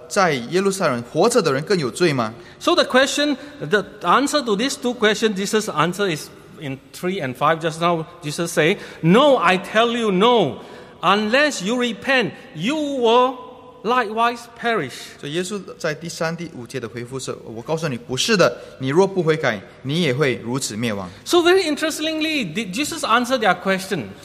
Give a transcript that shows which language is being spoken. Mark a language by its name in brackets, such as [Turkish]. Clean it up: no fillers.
[Chinese] 所以这些被压死的人，他们比在耶路撒冷活着的人更有罪吗？ [English] So the question, the answer to these two questions, Jesus' answer is in 3 and 5. Just now, Jesus say, "No, I tell you, no. Unless you repent, you will likewise perish." [Chinese] 所以耶稣在第三、第五节的回复是：“我告诉你，不是的，你若不悔改，你也会如此灭亡。” [English] So very interestingly, did Jesus answer their question?